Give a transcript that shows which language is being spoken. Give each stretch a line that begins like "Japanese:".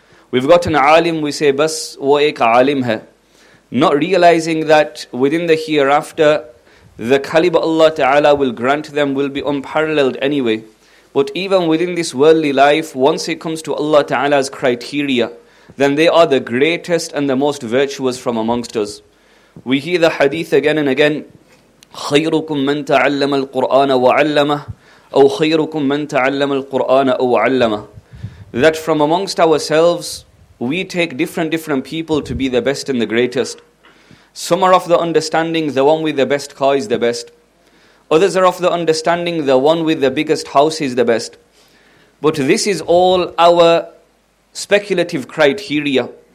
English: We've got an alim, we say,
Urdu: bas wo ek alim hai.
English: Not realizing that within the hereafter, the caliber Allah Ta'ala will grant them will be unparalleled anyway. But even within this worldly life, once it comes to Allah Ta'ala's criteria, then they are the greatest and the most virtuous from amongst us. We hear the hadith again and again,
Arabic: خَيْرُكُمْ مَنْ تَعَلَّمَ الْقُرْآنَ وَعَلَّمَهُ أَوْ خَيْرُكُمْ مَنْ تَعَلَّمَ الْقُرْآنَ أَوْ عَلَّمَهُ.
English: That from amongst ourselves, we take different people to be the best and the greatest. Some are of the understanding, the one with the best car is the best. Others are of the understanding, the one with the biggest house is the best. But this is all our speculative criteria.